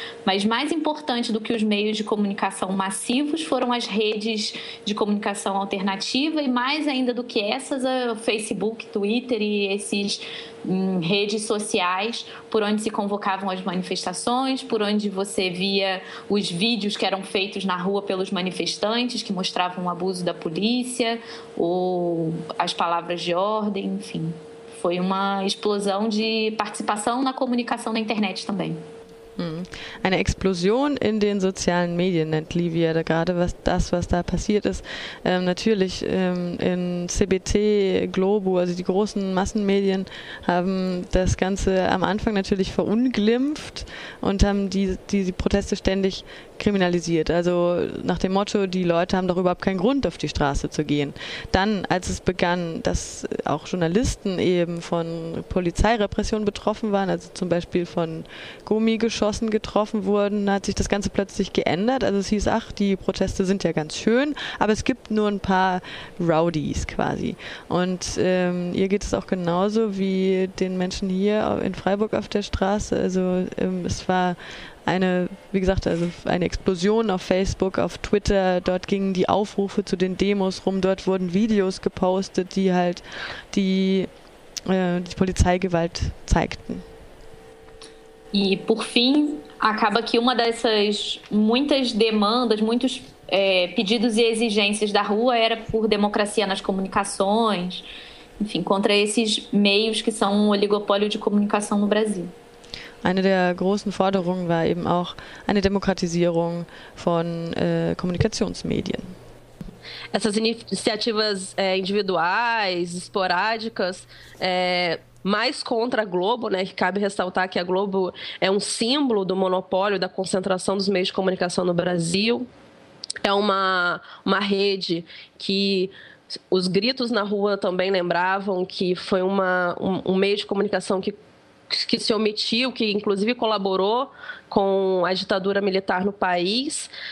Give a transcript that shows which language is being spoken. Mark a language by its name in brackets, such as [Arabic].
[Portuguese] Mas mais importante do que os meios de comunicação massivos foram as redes de comunicação alternativa, e mais ainda do que essas, o Facebook, Twitter e essas redes sociais, por onde se convocavam as manifestações, por onde você via os vídeos que eram feitos na rua pelos manifestantes, que mostravam o abuso da polícia, ou as palavras de ordem, enfim... Foi uma explosão de participação na comunicação na internet também. [German] Eine Explosion in den sozialen Medien, nennt Livia da gerade was da passiert ist. Natürlich in CBT, Globo, also die großen Massenmedien, haben das Ganze am Anfang natürlich verunglimpft und haben die Proteste ständig kriminalisiert. Also nach dem Motto, die Leute haben doch überhaupt keinen Grund, auf die Straße zu gehen. Dann, als es begann, dass auch Journalisten eben von Polizeirepression betroffen waren, also zum Beispiel von Gummigeschossen getroffen wurden, hat sich das Ganze plötzlich geändert. Also es hieß, ach, die Proteste sind ja ganz schön, aber es gibt nur ein paar Rowdies quasi. Und ihr geht es auch genauso wie den Menschen hier in Freiburg auf der Straße. Also es war eine, wie gesagt, also eine Explosion auf Facebook, auf Twitter. Dort gingen die Aufrufe zu den Demos rum. Dort wurden Videos gepostet, die halt die Polizeigewalt zeigten. [Portuguese] E por fim, acaba que uma dessas muitas demandas, muitos pedidos e exigências da rua era por democracia nas comunicações, enfim, contra esses meios que são um oligopólio de comunicação no Brasil. [German] Eine der großen Forderungen war eben auch eine Demokratisierung von Kommunikationsmedien. [Portuguese] Essas iniciativas individuais, esporádicas, mais contra a Globo, né, que cabe ressaltar que a Globo é um símbolo do monopólio, da concentração dos meios de comunicação no Brasil. É uma rede que os gritos na rua também lembravam que foi um meio de comunicação que se omitiu, que inclusive colaborou com a ditadura militar no país.